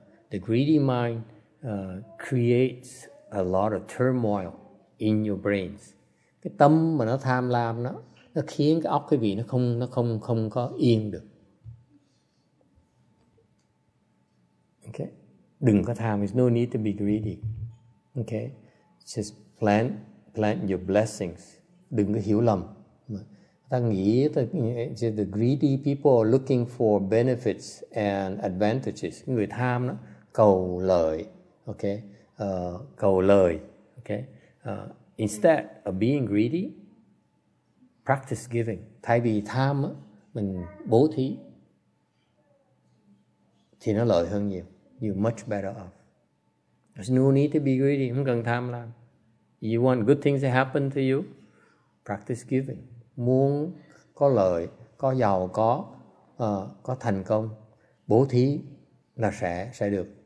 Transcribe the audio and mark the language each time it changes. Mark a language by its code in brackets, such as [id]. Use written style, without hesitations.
[en] The greedy mind creates a lot of turmoil in your brains. [vi] Cái tâm mà nó tham lam đó, nó khiến cái óc cái vị nó không có yên được. [en] Okay? [vi] Đừng có tham, [en] there's no need to be greedy. Okay? Just plant your blessings. [vi] Đừng có hiểu lầm. Ta nghĩ [en] the greedy people are looking for benefits and advantages. [vi] Người tham đó, cầu lợi, okay? Cầu lợi, okay? [en] Instead of being greedy, practice giving. [vi] Thay vì tham, mình bố thí, thì nó lợi hơn nhiều. [en] You're much better off. There's no need to be greedy. [vi] Không cần tham lam. [en] You want good things to happen to you? Practice giving. [vi] Muốn có lợi, có giàu, có thành công, bố thí là sẽ được.